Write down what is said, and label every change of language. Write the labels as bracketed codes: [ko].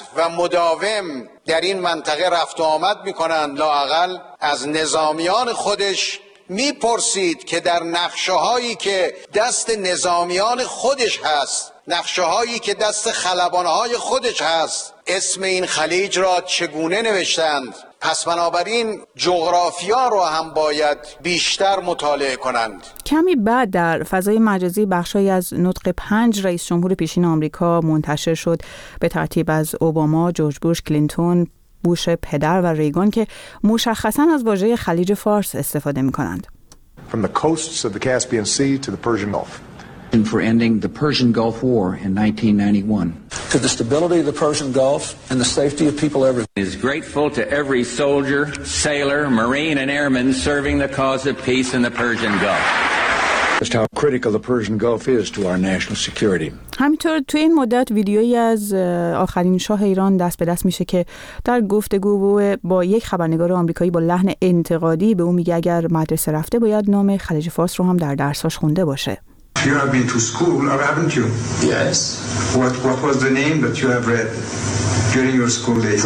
[fa] و مداوم در این منطقه رفت و آمد می‌کنند، لااقل از نظامیان خودش می‌پرسید که در نقشه‌هایی که دست نظامیان خودش هست، نقشه‌هایی که دست خلبان‌های خودش هست، اسم این خلیج را چگونه نوشتند؟ پس بنابراین جغرافیا رو هم باید بیشتر مطالعه کنند. کمی بعد در فضای مجازی بخشی از نطق 5 رئیس جمهور پیشین آمریکا منتشر شد، به ترتیب از اوباما، جورج بوش، کلینتون، بوش پدر و ریگان، که مشخصا از واژه خلیج فارس استفاده می‌کنند. [en] From the coasts of the Caspian Sea to the Persian Gulf. And for ending the Persian Gulf War in 1991. To the stability of the Persian Gulf and the safety of people everywhere. Is grateful to every soldier, sailor, marine and airman serving the cause of peace in the Persian Gulf. Just how critical the Persian Gulf is to our national security. [fa] همینطور توی این مدت ویدیویی از آخرین شاه ایران دست به دست میشه که در گفتگو با یک خبرنگار آمریکایی با لحن انتقادی به او میگه اگر مدرسه رفته باید نام خلیج فارس رو هم در درس‌هاش خونده باشه. [en] You have been to school, haven't you? Yes. What was the name that you have read during your school days?